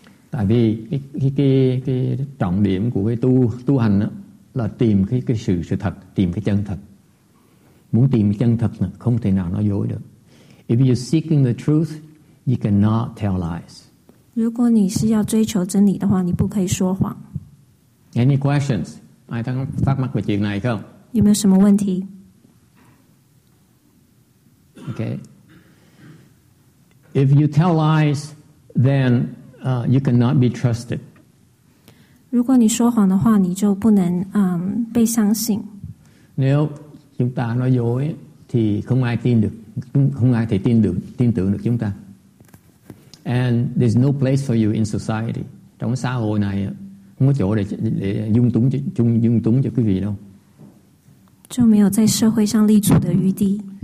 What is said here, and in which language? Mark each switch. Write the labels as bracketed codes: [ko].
[vi] Tại vì cái trọng điểm của cái tu hành đó là tìm cái sự thật, tìm cái chân thật. Muốn tìm chân thật là không thể nào nói dối được. [en] If you're seeking the truth, you cannot tell lies. [zh] 如果你是要追求真理的话，你不可以说谎。 [en] Any questions? 爱当发问的情况không? [zh] 有没有什么问题？ [en] Okay. If you tell lies, then you cannot be trusted. [zh] 如果你说谎的话，你就不能被相信。 [vi] Nếu chúng ta nói dối thì không ai tin được, không ai thể tin tưởng được chúng ta. [en] And there's no place for you in society. [vi] trong xã hội này không có chỗ để dung túng cho quý vị đâu. [zh] 就没有在社会上立足的余地。